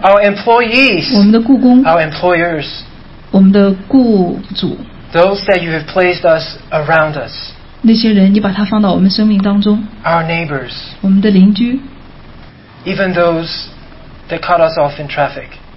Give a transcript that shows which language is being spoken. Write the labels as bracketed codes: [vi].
[en] ，our employees， [zh] 我们的雇工 [en] ，our employers， [zh] 我们的雇主 [en] ，those that you have placed us around us， [zh] 那些人你把他放到我们生命当中 [en] ，our neighbors， [zh] 我们的邻居 [en] ，even those that cut us off in traffic，